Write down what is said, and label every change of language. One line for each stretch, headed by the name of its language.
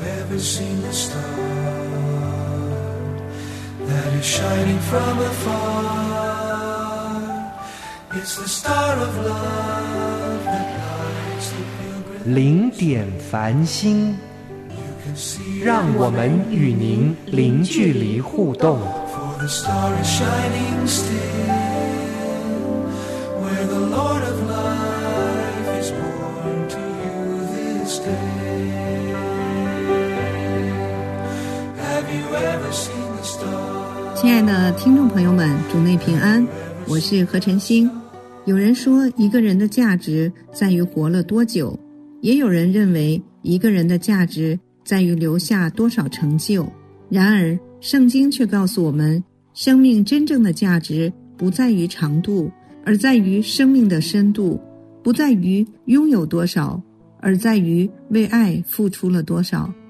English: That is shining from afar. It's the star of love that lights the pilgrimage.
Chinese: 零点繁星，让我们与您零距离互动。
English: For the star is shining still, where the Lord of life is born to you this day. Have you ever seen the star?
Chinese: 亲爱的听众朋友们，主内平安，我是何晨星。有人说一个人的价值在于活了多久，也有人认为一个人的价值在于留下多少成就。然而圣经却告诉我们，生命真正的价值不在于长度，而在于生命的深度，不在于拥有多少，而在于为爱付出了多少。